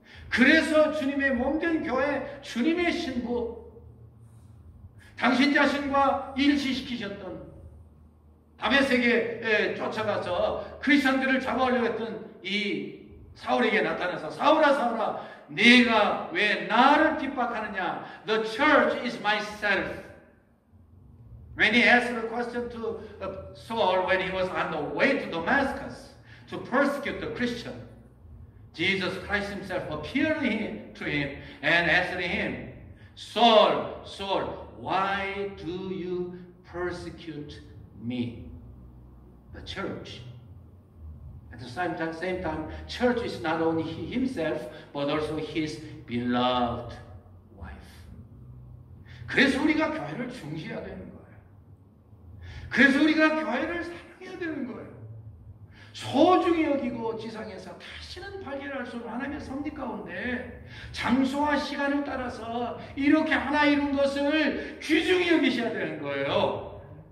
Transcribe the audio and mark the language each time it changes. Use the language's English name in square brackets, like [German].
[Korean] 그래서 주님의 몸된 교회 주님의 신부 당신 자신과 일치시키셨던 다메섹에 쫓아가서 크리스천들을 잡아오려고 했던 이 사울에게 나타나서 사울아 사울아 네가 왜 나를 핍박하느냐? [English] The church is myself. When he asked a question to Saul when he was on the way to Damascus to persecute the Christian, Jesus Christ himself appeared to him and asked him, Saul, Saul, why do you persecute me? The church. At the same time, church is not only himself, but also his beloved wife. [Korean] 그래서 우리가 교회를 중시해야 되는 거예요. 그래서 우리가 교회를 사랑해야 되는 거예요. 소중히 여기고 지상에서 다시는 발견할 수 없는 하나님의 섭리 가운데 장소와 시간에 따라서 이렇게 하나 이룬 것을 귀중히 여기셔야 되는 거예요.